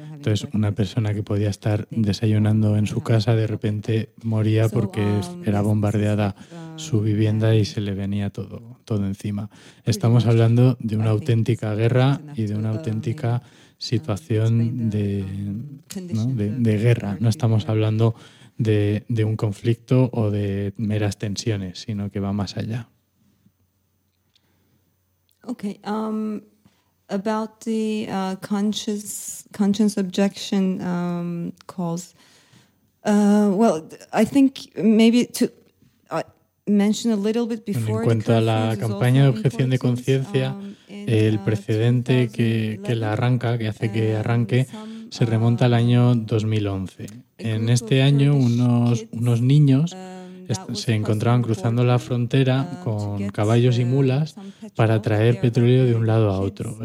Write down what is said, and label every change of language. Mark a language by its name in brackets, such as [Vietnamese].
[Spanish] Entonces, una persona que podía estar desayunando en su casa de repente moría porque era bombardeada su vivienda y se le venía todo encima. Estamos hablando de una auténtica guerra y de una auténtica situación de guerra. No estamos hablando de un conflicto o de meras tensiones, sino que va más allá. [English] Okay, about the conscience objection calls. I think maybe to mention a little bit before. [Spanish] En cuanto a la campaña de objeción de conciencia, el precedente que hace que arranque se remonta al año 2011. En este año, unos niños se encontraban cruzando la frontera con caballos y mulas para traer petróleo de un lado a otro.